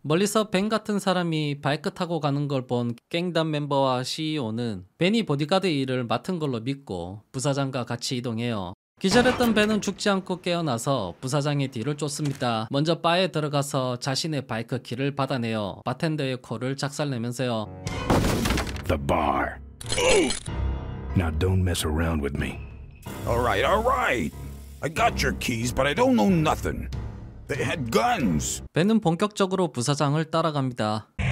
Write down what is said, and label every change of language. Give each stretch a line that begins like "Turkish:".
Korean: 멀리서 벤 같은 사람이 바이크 타고 가는 걸 본 갱단 멤버와 CEO는 벤이 보디가드 일을 맡은 걸로 믿고 부사장과 같이 이동해요. 기절했던 벤은 죽지 않고 깨어나서 부사장의 뒤를 쫓습니다. 먼저 바에 들어가서 자신의 바이크 키를 받아내요. 바텐더의 코를 작살내면서요.
English: The bar. Now don't mess around with me. Alright, alright! I got your keys, but I don't know nothing. They had guns!
Korean: 벤은 본격적으로 부사장을 따라갑니다.